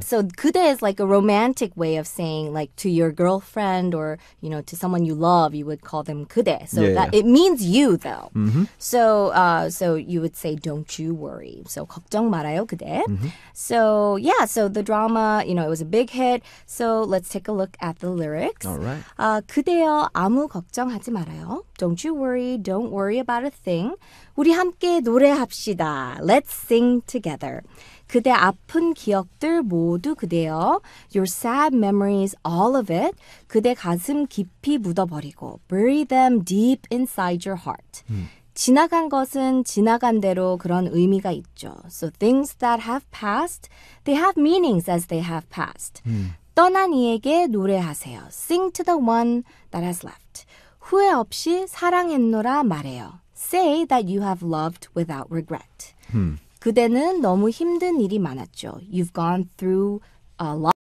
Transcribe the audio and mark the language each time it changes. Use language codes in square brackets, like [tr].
[en] So 그대 is like a romantic way of saying like to your girlfriend or, you know, to someone you love, you would call them 그대. So yeah, that yeah. it means you though. Mm-hmm. So so you would say don't you worry. [ko] So 걱정 말아요 그대. Mm-hmm. [en] So yeah, so the drama, you know, it was a big hit. So let's take a look at the lyrics. All right. [ko] 그대여 아무 걱정 하지 말아요. [en] Don't you worry. Don't worry about a thing. [ko] 우리 함께 노래합시다. [en] Let's sing together. [ko] 그대 아픈 기억들 모두 그대여. [en] Your sad memories, all of it. [ko] 그대 가슴 깊이 묻어버리고. [en] Bury them deep inside your heart. [ko] 지나간 것은 지나간 대로 그런 의미가 있죠. [en] So things that have passed, they have meanings as they have passed. [ko] 떠난 이에게 노래하세요. [en] Sing to the one that has left. [ko] 후회 없이 사랑했노라 말해요. [en] Say that you have loved without regret. [ko] 그대는 너무 힘든 일이 많았죠. [en] You've gone through a lot.